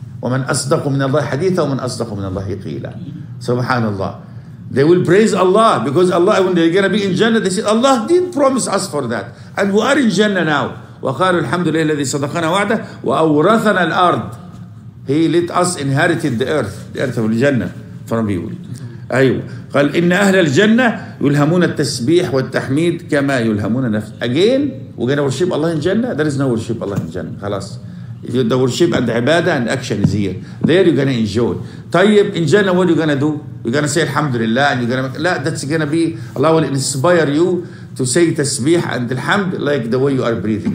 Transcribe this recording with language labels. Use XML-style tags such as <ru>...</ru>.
<ar>وَمَنْ أَصْدَقُ مِنَ اللَّهِ حَدِيثًا وَمَنْ أَصْدَقُ مِنَ اللَّهِ قِيلًا. سُبْحَانَ اللَّهِ.</ar> <en>They will praise Allah because Allah, when they're going to be in Jannah, they say, Allah did promise us for that. And we are in Jannah now.</en> <ar>وَقَالُوا الْحَمْدُ لِلَّهِ الَّذِي صَدَقَنَا وَعْدَهُ وَأَوْرَثَنَا الْأَرْضَ.</ar> <en>He let us inherit the earth of Jannah from you.</en> <ar>أيوة. قال إن أهل الجنة يلهمون التسبيح والتحميد كما يلهمون نفس.</ar> <en>Again, we're going to worship Allah in Jannah. There is no worship Allah in Jannah. خلاص. If you the worship and the عبادة and action is here. There you're going to enjoy. طيب, in Jannah, what are you going to do? You're going to say الحمد لله and you're going to... لا, that's going to be... Allah will inspire you to say تسبيح and الحمد like the way you are breathing.</en>